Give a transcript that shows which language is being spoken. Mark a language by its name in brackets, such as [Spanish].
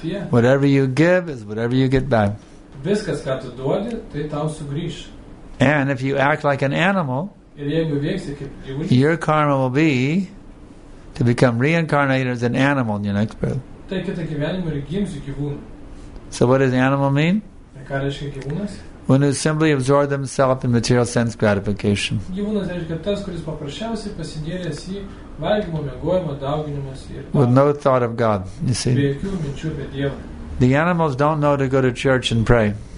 [English] Whatever you give is whatever you get back. [Lithuanian] Viskas, ką tu duodi, tai tau sugrįš. [English] And if you act like an animal, [Lithuanian] ir jeigu veiksi kaip gyvūnas, [English] your karma will be to become reincarnated as an animal in your next birth. [Lithuanian] Tai kitą gyvenimą ir gimsiu gyvūnu. [English] So what does animal mean? [Lithuanian] Ką reiškia gyvūnas? [English] One who simply absorbed themselves in material sense gratification. [Lithuanian] Gyvūnas reiškia tas, kuris paprasčiausiai pasinėrėsi į valgymo, mėgojimo, dauginimas. [English] With no thought of God, you see. [Lithuanian] Be jokių minčių apie Dievą. [English] The animals don't know to go to church and pray.